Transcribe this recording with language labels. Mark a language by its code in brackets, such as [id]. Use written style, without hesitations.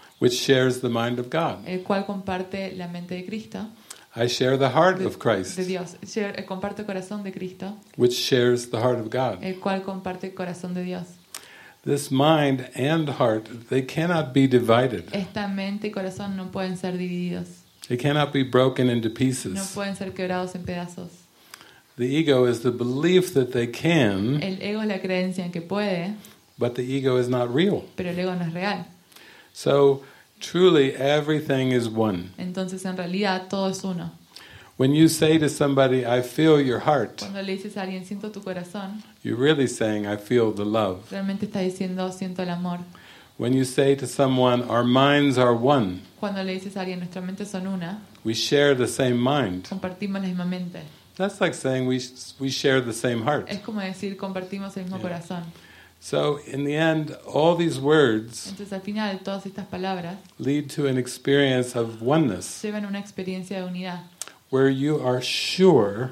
[en] Which shares the mind of God. [es] El cual comparte la mente de Cristo. [en] I share the heart of Christ. [es] De Dios. Comparto el corazón de Cristo. [en] Which shares the heart of God. [es] El cual comparte el corazón de Dios. [en] This mind and heart, they cannot be divided. [es] Esta mente y corazón no pueden ser divididos. [en] They cannot be broken into pieces. [es] No pueden ser quebrados en pedazos. [en] The ego is the belief that they can. [es] El ego es la creencia en que puede. [en] But the ego is not real. [es] Pero el ego no es real. [en] So truly everything is one. [es] Entonces en realidad todo es uno. [en] When you say to somebody I feel your heart. [es] Cuando le dices a alguien siento tu corazón. [en] You're really saying I feel the love. [es] Realmente estás diciendo siento el amor. [en] When you say to someone our minds are one. [es] Cuando le dices a alguien nuestras mentes son una. [en] We share the same mind. [es] Compartimos la misma mente. [en] That's like saying we share the same heart. [es] Es como decir compartimos el mismo corazón. [en] So in the end, all these words [es] entonces, al final, todas estas palabras [en] lead to an experience of oneness, [es] llevan una experiencia de unidad, [en] where you are sure